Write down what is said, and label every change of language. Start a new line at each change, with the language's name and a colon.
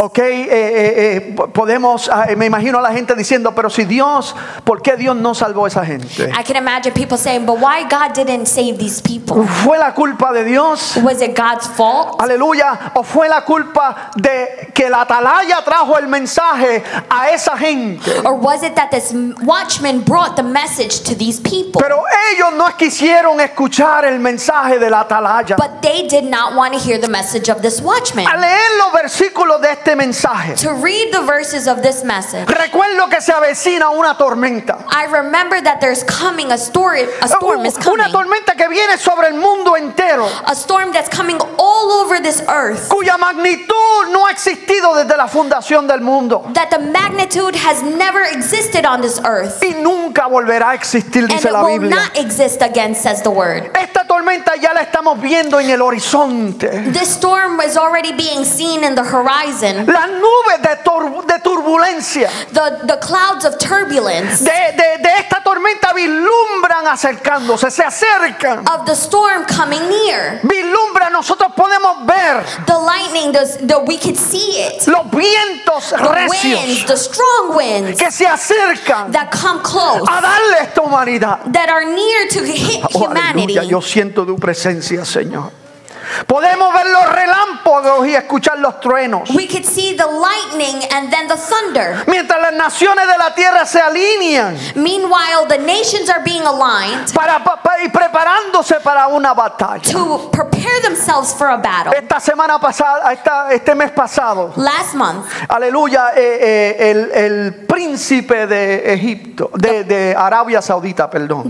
Spanish: Okay, podemos me imagino a la gente diciendo, pero si Dios, ¿por qué Dios no salvó a esa gente?
English: I can imagine people saying, but why God didn't save these people?
Spanish: ¿Fue la culpa de Dios?
English: Was it God's fault?
Spanish: Aleluya, ¿o fue la culpa de que la atalaya trajo el mensaje a esa gente?
English: Or was it that this watchman brought the message to these people?
Spanish: Pero ellos no quisieron escuchar el mensaje de la atalaya.
English: But they did not want to hear the message of this watchman.
Spanish: A leer los versículos de este mensaje.
English: To read the verses of this message.
Spanish: Recuerdo que se avecina una tormenta.
English: I remember that there's coming a storm is coming.
Spanish: Una tormenta que viene sobre el mundo entero.
English: A storm that's coming all over this earth.
Spanish: Cuya magnitud no ha existido desde la fundación del mundo.
English: That the magnitude has never existed on this earth.
Spanish: Y nunca volverá a existir,
English: and
Spanish: dice la Biblia.
English: And will not exist again, says the word.
Spanish: Esta tormenta ya la estamos viendo en el horizonte.
English: This storm is already being seen in the horizon.
Spanish: Las nubes de turbulencia.
English: The clouds of turbulence.
Spanish: De esta tormenta vislumbran acercándose, se acercan.
English: Of the storm coming near.
Spanish: Vislumbra, nosotros podemos ver.
English: The lightning, we could see it.
Spanish: Los vientos recios.
English: The winds, the strong winds.
Spanish: Que se acercan.
English: That come close.
Spanish: A darle esta humanidad.
English: That are near to hit humanity.
Spanish: Aleluya, yo siento tu presencia, Señor. Podemos ver los relámpagos y escuchar los truenos.
English: We could see the lightning and then the thunder.
Spanish: Mientras las naciones de la tierra se alinean.
English: Meanwhile, the nations are being aligned.
Spanish: Para y preparándose para una batalla.
English: To prepare themselves for a battle.
Spanish: Esta semana pasada, este mes pasado.
English: Last month.
Spanish: Aleluya, el príncipe de Egipto, de Arabia Saudita, perdón.